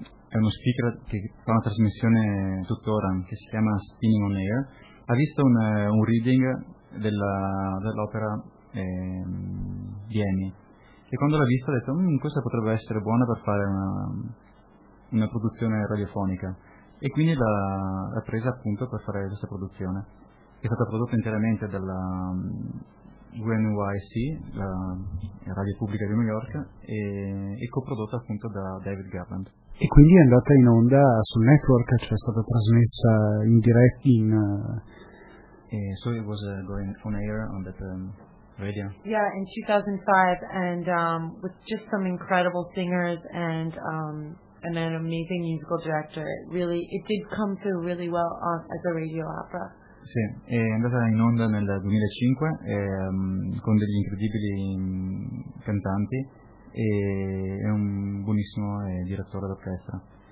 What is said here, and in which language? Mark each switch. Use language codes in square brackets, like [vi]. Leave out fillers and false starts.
[it] è uno speaker che fa una trasmissione tuttora che si chiama Spinning on Air, ha visto un reading dell'opera di Annie, e quando l'ha vista ha detto questa potrebbe essere buona per fare una produzione radiofonica, e quindi l'ha presa appunto per fare questa produzione, che è stata prodotta interamente dalla WNYC, la radio pubblica di New York, e coprodotta appunto da David Garland. E quindi è andata in onda sul network, cioè è stata trasmessa in diretta in... [en] So it was going on air on that... Yeah, in 2005, and with just some incredible singers and an amazing musical director, it did come through really well as a radio opera. [it] Sì, è andata in onda nel 2005 con degli incredibili cantanti e è un buonissimo direttore d'orchestra.